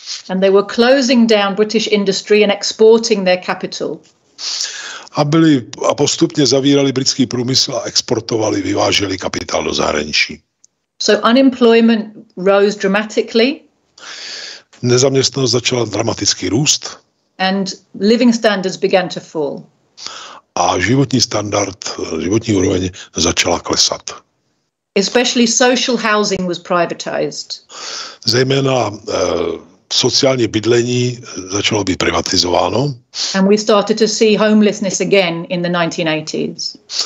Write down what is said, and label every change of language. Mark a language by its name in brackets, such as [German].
[English] And they were closing down British industry and exporting their capital. [Czech] A postupně zavírali britský průmysl a exportovali, vyváželi kapitál do zahraničí. [English] So unemployment rose dramatically. [Czech] Nezaměstnanost začala dramaticky růst. [English] And living standards began to fall. [Czech] A životní úroveň začala klesat. [English] Especially social housing was privatized. [Czech] Zejména sociální bydlení začalo být privatizováno. [English] And we started to see homelessness again in the 1980s.